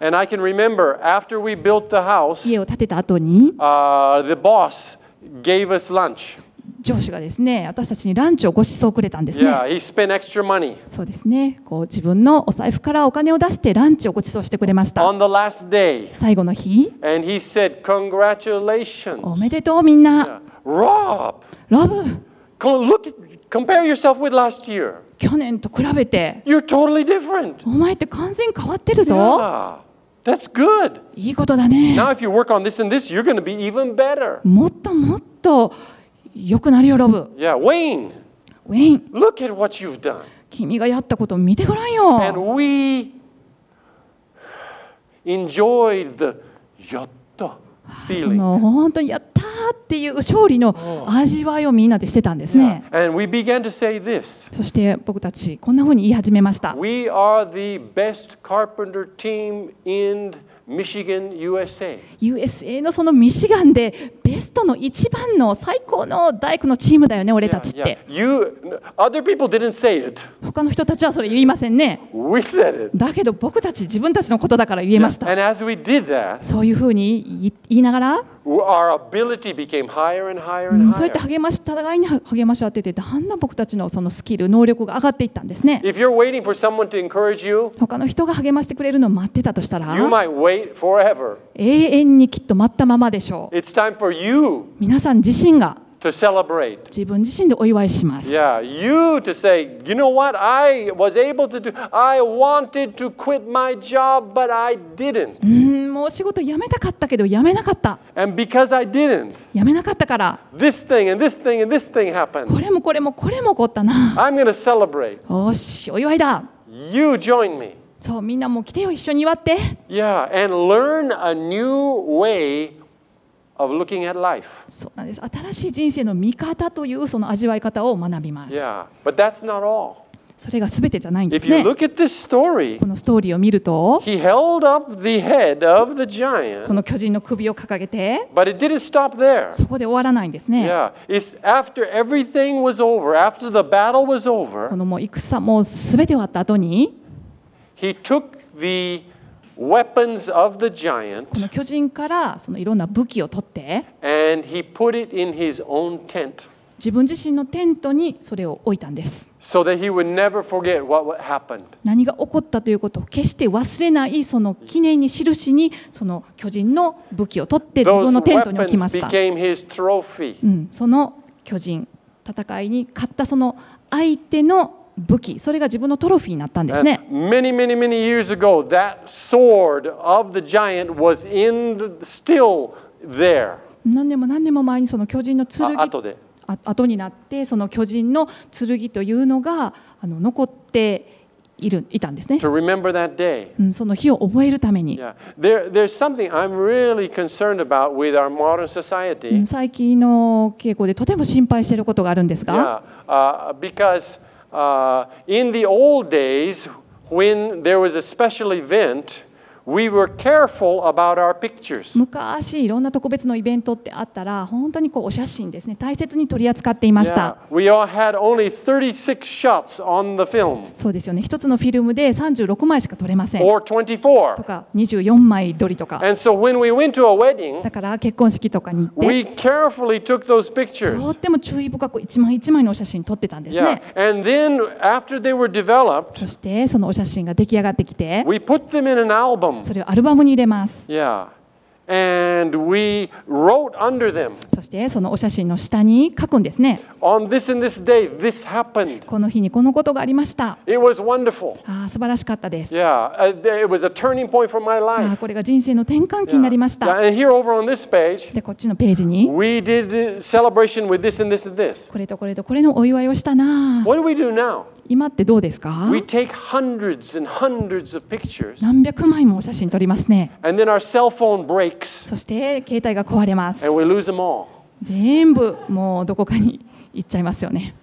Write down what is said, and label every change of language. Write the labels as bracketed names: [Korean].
[English] And I can remember after we built the house, [Japanese] 家を建てた後に、 [English] the boss gave us lunch. [Japanese] 上司がですね、私たちにランチをご馳走くれたんですね。 [English] Yeah, he spent extra money. [Japanese] そうですね、こう自分のお財布からお金を出してランチをご馳走してくれました。 [English] On the last day, [Japanese] 最後の日、 [English] And he said, "Congratulations." [Japanese] おめでとうみんな。 [English] Yeah. Rob, Rob, compare yourself with last year. [Japanese] 去年と比べて、 [English] You're totally different. [Japanese] お前って完全変わってるぞ。 [English] Yeah, that's good. [Japanese] いいことだね。 [English] Now if you work on this and this, you're going to be even better. [Japanese] もっともっと良くなるよ、ロブ。 [English] Yeah, Wayne. Wayne. Look at what you've done. [Japanese] 君がやったことを見てごらんよ。 [English] And we enjoyed the [Japanese] やった [English] feeling. [Japanese] その本当にやった。っていう勝利の味わいをみんなでしてたんですね。 [English] Yeah. And we began to say this. [Japanese] そして僕たちこんな風に言い始めました。 [English] We are the best carpenter team in Michigan, USA. [Japanese] USA のそのミシガンでベストの一番の最高の大工のチームだよね、俺たちって。 [English] Yeah, yeah. You, other people didn't say it. [Japanese] 他の人たちはそれ言いませんね。 [English] We said it. [Japanese] だけど僕たち自分たちのことだから言えました。 [English] Yeah. And as we did that, [Japanese] そういう風に言いながら、 [English] Our ability became higher and higher and higher. [Japanese] そうやって励まし、互いに励まし合ってて、だんだん僕たちのそのスキル、能力が上がっていったんですね。 [English] If you're waiting for someone to encourage you, [Japanese] 他の人が励ましてくれるのを待ってたとしたら、 [English] you might wait forever. [Japanese] 永遠にきっと待ったままでしょう。 [English] It's time for you. [Japanese] 皆さん自身が [English] to celebrate. [Japanese] 自分自身でお祝いします。 [English] Yeah, you to say, you know what? I was able to do. I wanted to quit my job, but I didn't. [Japanese] もう仕事辞めたかったけど辞めなかった。 [English] And because I didn't, [Japanese] 辞めなかったから。 [English] This thing and this thing and this thing happened. [Japanese] これもこれもこれも起こったな。 [English] I'm going to celebrate. [Japanese] おし、お祝いだ。 [English] You join me. [Japanese] そう、みんなも来てよ、一緒に祝って。 [English] Yeah, and learn a new way of looking at life. [Japanese] そうなんです。新しい人生の見方というその味わい方を学びます。 [English] Yeah, but that's not all. [Japanese] それが全てじゃないんですね。 [English] If you look at this story, [Japanese] このストーリーを見ると、 [English] he held up the head of the giant, [Japanese] この巨人の首を掲げて、 [English] but it didn't stop there. [Japanese] そこで終わらないんですね。 [English] Yeah. After everything was over, after the battle was over, [Japanese] このもう戦もう全て終わった後に、 [English] he took the weapons of the giant, [Japanese] この巨人からそのいろんな武器を取って、 [English] and he put it in his own tent. [Japanese] 自分自身のテントにそれを置いたんです。 [English] So that he would never forget what happened. [Japanese] 何が起こったということを決して忘れないその記念に印にその巨人の武器を取って自分のテントに置きました。 [English] Those weapons became his trophy. [Japanese] うん、その巨人戦いに勝ったその相手の武器、それが自分のトロフィーになったんですね。 [English] Many, many, many years ago, that sword of the giant was in the, still there. [Japanese] 何年も何年も前にその巨人の剣。あとで。後になってその巨人の剣というのが残っているいたんですね。 [English] To remember that day. [Japanese] その日を覚えるために。 [English] Yeah. There's something I'm really concerned about with our modern society. [Japanese] 最近の傾向でとても心配していることがあるんですが。 [English] Yeah. Because in the old days when there was a special event. We were careful about our pictures. [Japanese] 昔いろんな特別のイベントってあったら本当にこうお写真ですね大切に取り扱っていました。 [English] Yeah, we all had only 36 shots on the film. [Japanese] そうですよね一つのフィルムで36枚しか撮れません。 [English] Or 24. [Japanese] とか24枚撮りとか。 [English] And so when we went to a wedding, [Japanese] だから結婚式とかに行って、 [English] we carefully took those pictures. [Japanese] とっても注意深く一枚一枚のお写真撮ってたんですね。 [English] Yeah. And then after they were developed, [Japanese] そしてそのお写真が出来上がってきて、 [English] we put them in an album. [Japanese] それをアルバムに入れます。 [English] Yeah. And we wrote under them. [Japanese] そしてそのお写真の下に書くんですね。 [English] On this and this day, this happened. [Japanese] この日にこのことがありました。 [English] It was wonderful. [Japanese] ああ、素晴らしかったです。 [English] Yeah. It was a turning point for my life. [Japanese] ああ、これが人生の転換期になりました。 [English] Yeah. And here over on this page, [Japanese] でこっちのページに、 [English] we did a celebration with this and this and this. [Japanese] これとこれとこれのお祝いをしたな。 [English] What do we do now? [Japanese] 今ってどうですか？ [English] We take hundreds and hundreds of pictures. [Japanese] 何百枚も写真撮りますね。 [English] And then our cell phone breaks. [Japanese] そして携帯が壊れます。 [English] And we lose them all. [Japanese] 全部もうどこかに行っちゃいますよね。